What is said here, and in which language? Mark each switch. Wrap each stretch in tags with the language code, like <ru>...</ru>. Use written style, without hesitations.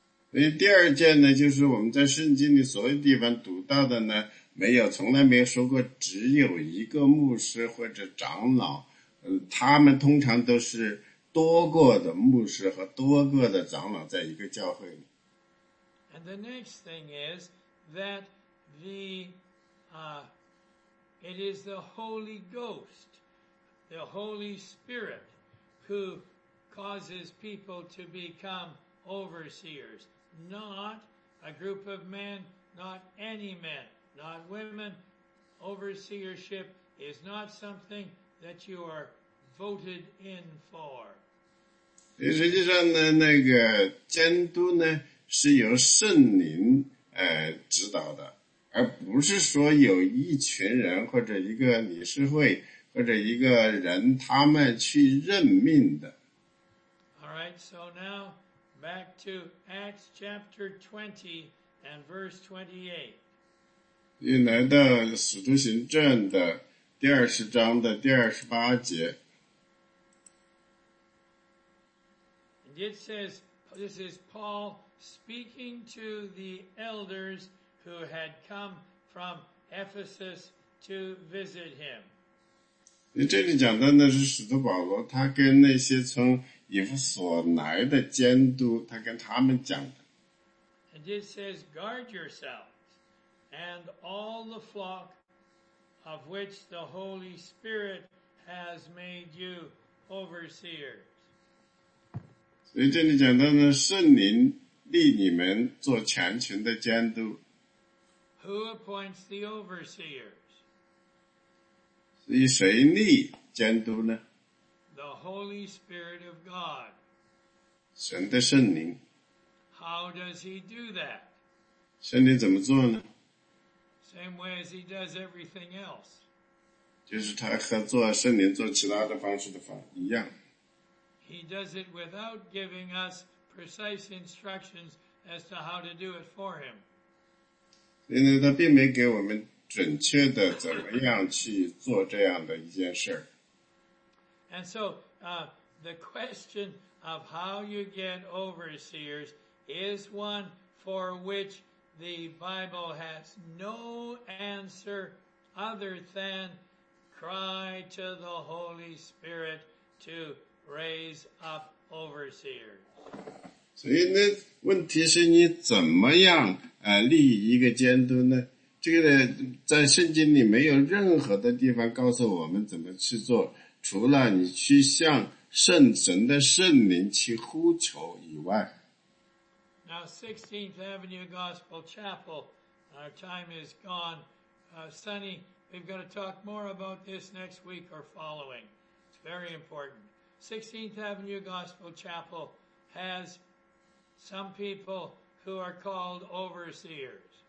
<zh>所以第二件呢，就是我们在圣经里所有地方读到的呢，没有从来没有说过只有一个牧师或者长老，他们通常都是多个的牧师和多个的长老在一个教会里。</zh> <en>And the next thing is that it is the Holy Ghost. The Holy Spirit who causes people to become overseers, not a group of men, not any men, not women. Overseership is not something that you are voted in for.</en> <zh>实际上呢，那个监督呢，是由圣灵指导的，而不是说有一群人或者一个理事会。或者一个人他们去任命的。</zh> <en>All right, so now back to Acts chapter 20 and verse 28.</en> <zh>又来到使徒行传的第二十章的第二十八节。</zh> <en>And it says, this is Paul speaking to the elders who had come from Ephesus to visit him.</en> <zh>这里讲的呢是使徒保罗他跟那些从以弗所来的监督他跟他们讲的。</zh> <en>And it says, guard yourselves and all the flock of which the Holy Spirit has made you overseers.</en> <zh>所以这里讲的呢圣灵立你们做全群的监督。</zh> <en>Who appoints the overseers?</en> <zh>以谁立监督呢</zh> <en>？The Holy Spirit of God.</en> <zh>神的圣灵。</zh> <en>How does he do that?</en> <zh>圣灵怎么做呢?</zh> <en>Same way as he does everything else.</en> <zh>就是他和做圣灵做其他的方式的方一样。</zh> <en>He does it without giving us precise instructions as to how to do it for him.</en> <zh>因为他并没给我们准确的怎么样去做这样的一件事。</zh> <en>And so, the question of how you get overseers is one for which the Bible has no answer other than cry to the Holy Spirit to raise up overseers.</en> <zh>所以呢，问题是你怎么样立一个监督呢？这个呢，在圣经里没有任何的地方告诉我们怎么去做，除了你去向圣神的圣灵去呼求以外。</zh> <en>Now, 16th Avenue Gospel Chapel, our time is gone. Sonny, we've got to talk more about this next week or following. It's very important. 16th Avenue Gospel Chapel has some people who are called overseers.</en>